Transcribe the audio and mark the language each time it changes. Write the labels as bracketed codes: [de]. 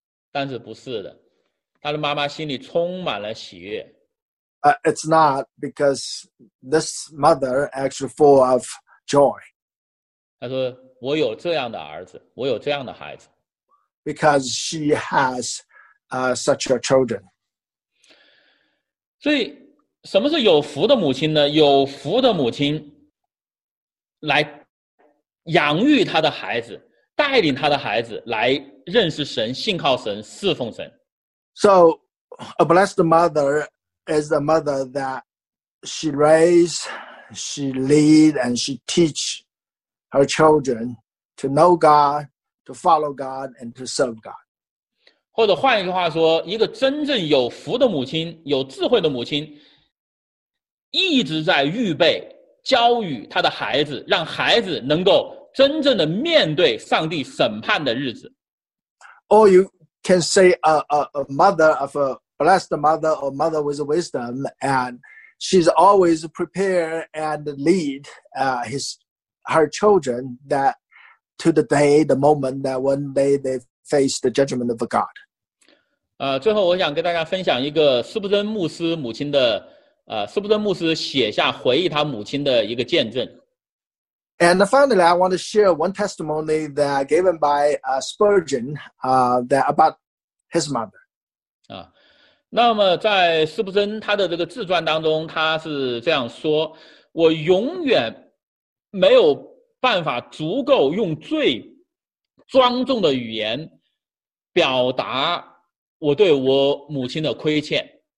[zh] 但是不是的，他的妈妈心里充满了喜悦。 [en] It's not because this mother actually full of joy. [zh] 她说我有这样的儿子，我有这样的孩子。 [en] Because she has such a children. [zh] 所以什么是有福的母亲呢？有福的母亲来养育他的孩子，带领他的孩子来认识神，信靠神，侍奉神。 [en] So, a blessed mother is a mother that she raise, she lead, and she teach her children to know God, to follow God, and to serve God. [zh] 或者换一句话说，一个真正有福的母亲，有智慧的母亲，一直在预备教育他的孩子，让孩子能够真正的面对上帝审判的日子。 [en] Or you can say a mother of a blessed mother or mother with wisdom, and she's always prepared and lead her children that to the day, the moment that one day they face the judgment of God. [zh] 最后我想跟大家分享一个斯布森牧师母亲的斯布森牧师写下回忆他母亲的一个见证。 [en] And finally, I want to share one testimony that given by Spurgeon that about his mother. [zh] 那么在斯布森他的这个自传当中，他是这样说：我永远没有办法足够用最庄重的语言表达我对我母亲的亏欠。